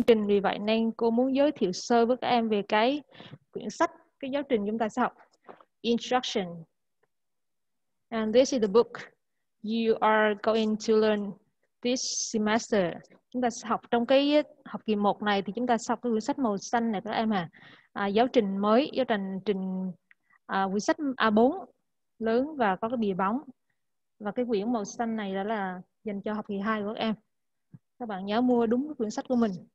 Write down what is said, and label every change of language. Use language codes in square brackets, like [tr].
[vi] trình, vì vậy nên cô muốn giới thiệu sơ với các em về cái quyển sách, cái giáo trình chúng ta sẽ học. [en] Instruction. And this is the book you are going to learn this semester. [vi] Chúng ta sẽ học trong cái học kỳ 1 này thì chúng ta sẽ học cái quyển sách màu xanh này các em à. Giáo trình mới, giáo trình trình quyển sách A4 lớn và có cái bìa bóng. Và cái quyển màu xanh này đó là dành cho học kỳ 2 của các em. Các bạn nhớ mua đúng cái quyển sách của mình.